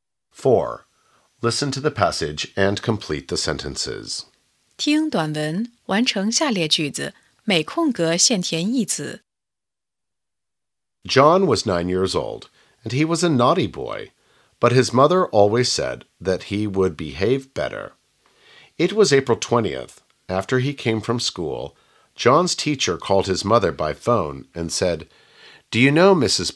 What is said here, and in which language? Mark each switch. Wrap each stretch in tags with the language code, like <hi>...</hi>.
<en>Four. Listen to the passage and complete the sentences.</en> <zh>听短文，完成下列句子，每空格现填一词。</zh> <en>John was 9 years old, and he was a naughty boy, but his mother always said that he would behave better. It was April 20th. After he came from school, John's teacher called his mother by phone and said, "Do you know, Mrs.</en>